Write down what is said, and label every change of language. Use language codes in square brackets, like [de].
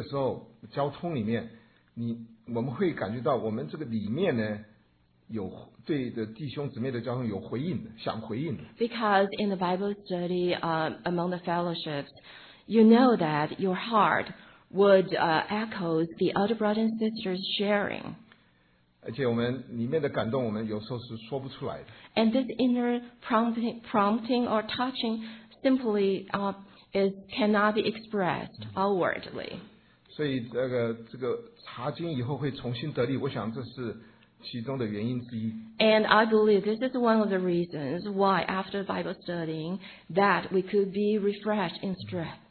[zh] 我们因为我们在查经的时候交通里面，你。我们会感觉到我们这个里面呢，有对的弟兄姊妹的交通有回应的，想回应的。 [en] Because in the Bible study, among the fellowships, you know that your heart would echo the other brothers and sisters sharing. [zh] 而且我们里面的感动，我们有时候是说不出来的。 [en] And this inner prompting or touching simply cannot be expressed outwardly. [zh] 所以这个查经以后会重新得力，我想这是其中的原因之一。 [en] And I believe this is one of the reasons why after Bible studying that we could be refreshed in strength.